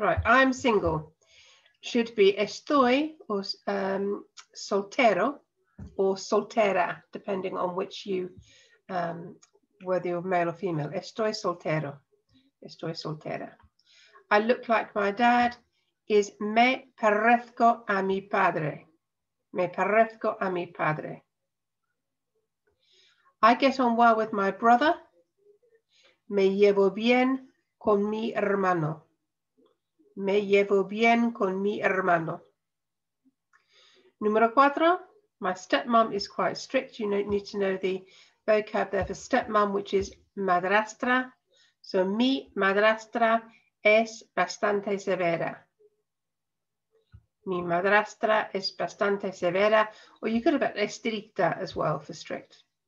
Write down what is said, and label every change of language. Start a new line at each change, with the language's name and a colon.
English: Right, I'm single. Should be estoy or soltero or soltera, depending on which you, whether you're male or female.
Spanish: Estoy soltero. Estoy soltera.
English: I look like my dad.
Spanish: Is me parezco a mi padre. Me parezco a mi padre.
English: I get on well with my brother.
Spanish: Me llevo bien con mi hermano. Me llevo bien con mi hermano. Número cuatro,
English: my stepmom is quite strict. You need to know the vocab there for stepmom, which is madrastra.
Spanish: So mi madrastra es bastante severa. Mi madrastra es bastante severa.
English: Or you could have added
Spanish: estricta
English: as well for strict.